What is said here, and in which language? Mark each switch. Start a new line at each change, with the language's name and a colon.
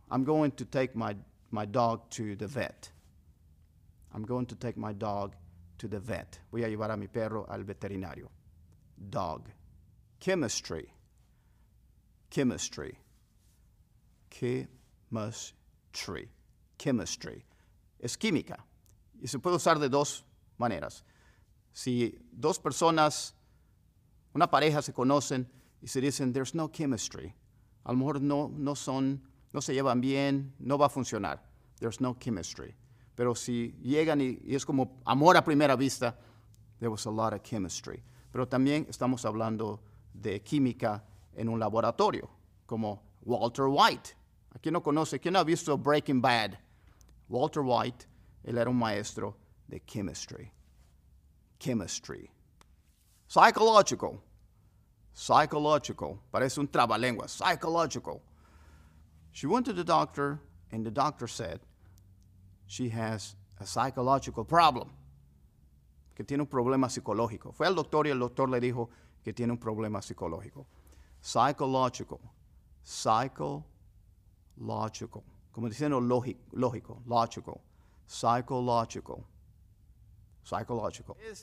English: I'm going to take my dog to the vet. I'm going to take my dog to the vet.
Spanish: Voy a llevar a mi perro al veterinario.
English: Dog. Chemistry. Chemistry. Chemistry. Chemistry. Es química.
Spanish: Y se puede usar de dos maneras. Si dos personas, una pareja se conocen y se dicen,
English: there's no chemistry.
Spanish: A lo mejor no se llevan bien, no va a funcionar.
English: There's no chemistry.
Spanish: Pero si llegan y es como amor a primera vista,
English: there was a lot of chemistry.
Spanish: Pero también estamos hablando de química en un laboratorio, como Walter White. ¿A quién no conoce? ¿Quién no ha visto Breaking Bad? Walter White, él era un maestro de chemistry. Chemistry. Psychological. Psychological. Parece un trabalenguas. Psychological.
English: She went to the doctor, and the doctor said, she has a psychological problem.
Spanish: Que tiene un problema psicológico. Fue al doctor y el doctor le dijo que tiene un problema psicológico.
English: Psychological. Psychological.
Spanish: Como diciendo lógico, logical, psychological, psychological.